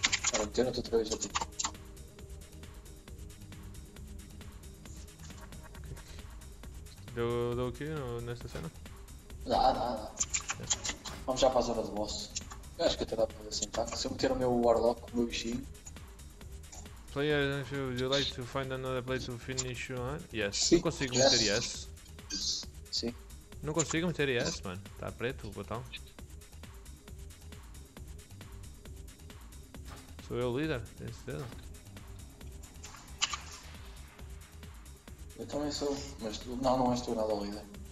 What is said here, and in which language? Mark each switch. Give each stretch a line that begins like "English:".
Portuguese: Para meter outra vez aqui. Deu o quê nesta cena? Dá. Vamos já para a zona do boss. Eu acho que até dá para ver assim, tá? Se eu meter o meu Warlock, o meu bichinho.
English: Player, if you would like to find another place to finish your run?
Portuguese: Yes. Sim. Não consigo meter yes. Sim. Não consigo meter yes, mano. Está preto o botão. Sou eu o líder, tem certeza. Eu também sou, mas tu... não és tu nada o líder.